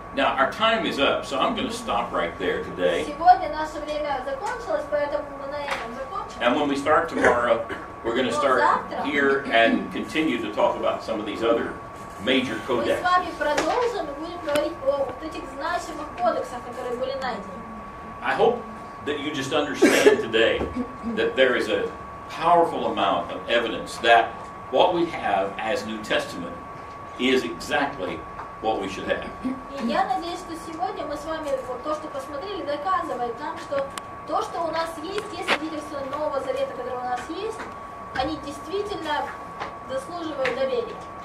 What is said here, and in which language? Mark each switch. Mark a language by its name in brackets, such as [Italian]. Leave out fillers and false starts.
[English] Now our time is up, so I'm going to stop right there today. [Russian] Сегодня наше время закончилось, поэтому мы на этом закончим. [English] And when we start tomorrow. We're going to start here and continue to talk about some of these other major codexes. [Russian] Мы с вами продолжим и будем говорить о вот этих значимых кодексах, которые были найдены. [English] I hope that you just understand today that there is a powerful amount of evidence that what we have as New Testament is exactly what we should have. [Russian] И я надеюсь, что сегодня мы с вами вот то, что посмотрели, доказывает нам, что то, что у нас есть, те свидетельства Нового Завета, которые у нас есть, они действительно заслуживают доверия.